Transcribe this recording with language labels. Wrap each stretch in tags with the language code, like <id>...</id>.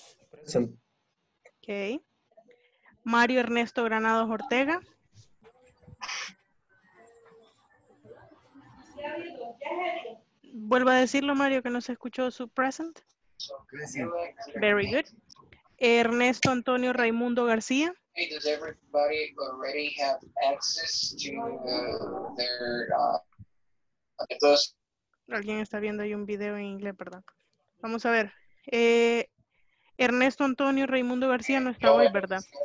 <en>Present.</en> <es>Ok. Mario Ernesto Granados Ortega. Vuelvo a decirlo, Mario, que no se escuchó su present.</es> <en>Very good. Ernesto Antonio Raimundo García. Hey, does everybody already have access to their...</en> <es>Alguien está viendo ahí un video en inglés, perdón. Vamos a ver. Ernesto Antonio Raimundo García no está hoy, ¿verdad?</es>